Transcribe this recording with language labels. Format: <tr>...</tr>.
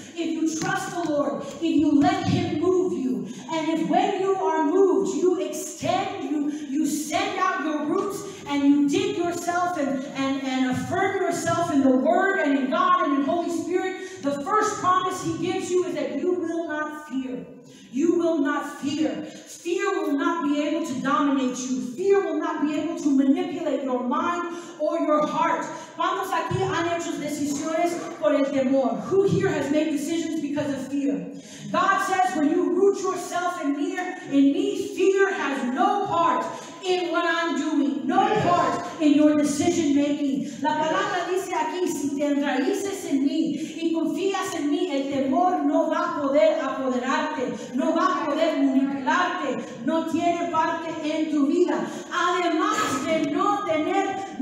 <en>If you trust the Lord, if you let Him move you, and if when you are moved, you extend, you send out your roots, and you dig yourself and affirm yourself in the Word and in God and in Holy Spirit, the first promise He gives you is that you will not fear. You will not fear. Fear will not be able to dominate you. Fear will not be able to manipulate your mind or your heart.</en> <es>¿Cuántos aquí han hecho decisiones por el temor?</es> <en>Who here has made decisions because of fear? God says when you root yourself in me, fear has no part in what I'm doing. No part in your decision making.</en> <es>La palabra dice aquí, si te enraíces en mí y confías en mí, el temor no va a poder apoderarte. No va a poder manipularte. No tiene parte en tu vida. Además de no tener</es>